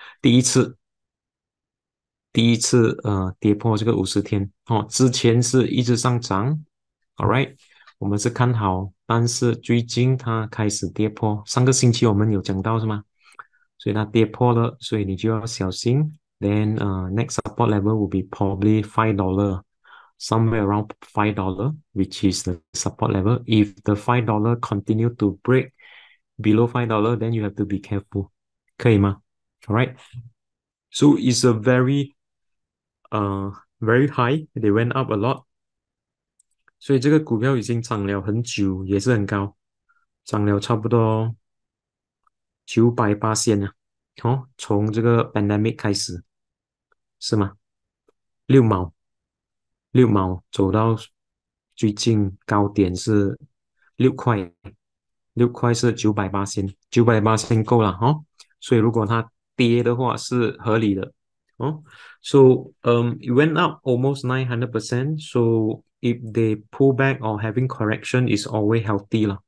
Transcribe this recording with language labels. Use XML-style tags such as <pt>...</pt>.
<zh>第一次跌破这个50天, huh? 之前是一直上涨,</zh> <en>all right?</en> <zh>我们是看好，但是最近它开始跌破。上个星期我们有讲到是吗？所以它跌破了，所以你就要小心。</zh> <en>Then next support level will be probably $5, somewhere around $5, which is the support level. If the $5 continue to break below $5, then you have to be careful，</en> <zh>可以吗？</zh> <en>All right，so it's a very high，they went up a lot。</en> <zh>所以这个股票已经涨了很久，也是很高，涨了差不多980%呢。哦，从这个 pandemic 开始，是吗？六毛走到最近高点是六块是980%够了哦。所以如果它跌的话是合理的哦。</zh> <en>So it went up almost 900%. So if they pull back or having correction, it's always healthy lah.</en>